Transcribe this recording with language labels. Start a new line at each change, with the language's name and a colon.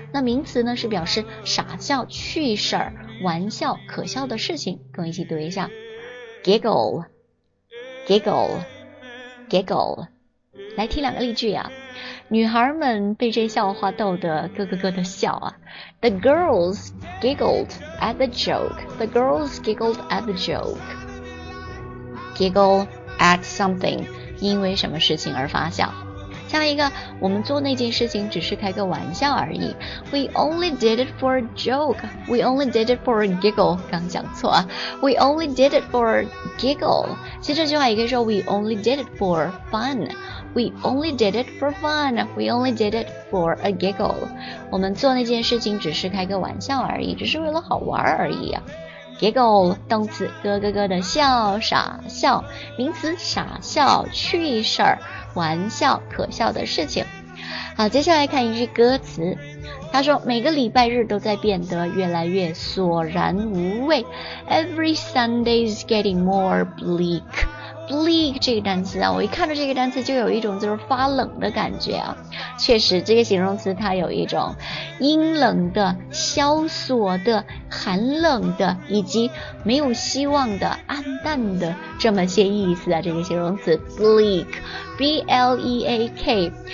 Chinese: 那名词呢，是表示傻笑、趣事儿、玩笑、可笑的事情。跟我一起读一下 ，giggle， giggle， giggle。来听两个例句啊，女孩们被这笑话逗得咯咯咯的笑啊。
English: The girls giggled at the joke. The girls giggled at the joke. Giggle.
Chinese: At something, 因为什么事情而发笑。下面一个，我们做那件事情只是开个玩笑而已。
English: We only did it for a joke. We only did it for a giggle.
Chinese: 刚讲错啊。
English: We only did it for a giggle.
Chinese: 其实这句话也可以说
English: We only did it for fun. We only did it for fun. We only did it for a giggle.
Chinese: 我们做那件事情只是开个玩笑而已，只是为了好玩而已啊。 Giggle, 动词咯咯咯的笑傻笑，名词傻笑趣事儿玩笑可笑的事情。好，接下来看一句歌词，他说每个礼拜日都在变得越来越索然无味。
English: Every Sunday is getting more bleak.
Chinese: Bleak 这个单词啊，我一看到这个单词就有一种就是发冷的感觉啊。确实这个形容词它有一种阴冷的、萧索的、寒冷的以及没有希望的、暗淡的这么些意思啊，这个形容词 bleak B-L-E-A-K。